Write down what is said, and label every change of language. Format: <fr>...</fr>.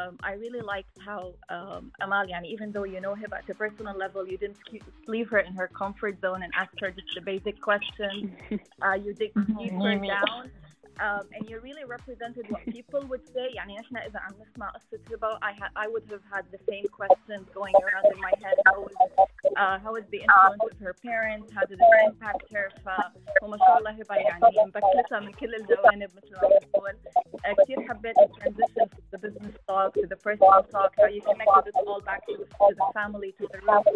<en>I really liked how Amal, يعني, even though you know HIPAA at a personal level, you didn't leave her in her comfort zone and ask her just the basic questions. You dig deeper down. And you really represented what people would say.</en> <ar>يعني نحن إذا عم نسمع قصة</ar> <en>HIPAA, I would have had the same questions going around in my head. How was the influence of her parents? How did it impact her?</en> <ar>فما شاء الله HIPAA يعني مبكتها من كل الجوانب مثل ما بقول. كثير حبيت</ar> <en>the transition from the business talk to the personal talk. How you connected it all back to the family, to the roots.</en>